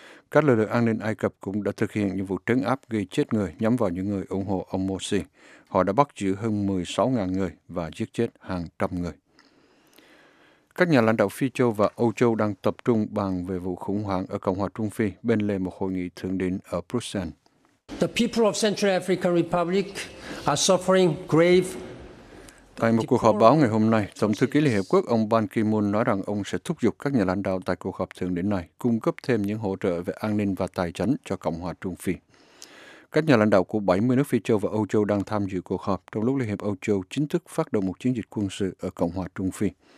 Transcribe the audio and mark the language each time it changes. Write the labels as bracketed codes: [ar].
[vi] Các lực lượng an ninh Ai Cập cũng đã thực hiện những vụ trấn áp gây chết người nhắm vào những người ủng hộ ông Morsi. Họ đã bắt giữ hơn 16.000 người và giết chết hàng trăm người. Các nhà lãnh đạo Phi Châu và Âu Châu đang tập trung bàn về vụ khủng hoảng ở Cộng hòa Trung Phi bên lề một hội nghị thượng đỉnh ở Brussels. [en] The people of Central African Republic are suffering grave. [vi] Tại một cuộc họp báo ngày hôm nay, Tổng thư ký Liên Hiệp Quốc ông Ban Ki-moon nói rằng ông sẽ thúc giục các nhà lãnh đạo tại cuộc họp thượng đỉnh này cung cấp thêm những hỗ trợ về an ninh và tài chính cho Cộng hòa Trung Phi. Các nhà lãnh đạo của 70 nước Phi Châu và Âu Châu đang tham dự cuộc họp trong lúc Liên Hiệp Âu Châu chính thức phát động một chiến dịch quân sự ở Cộng hòa Trung Phi.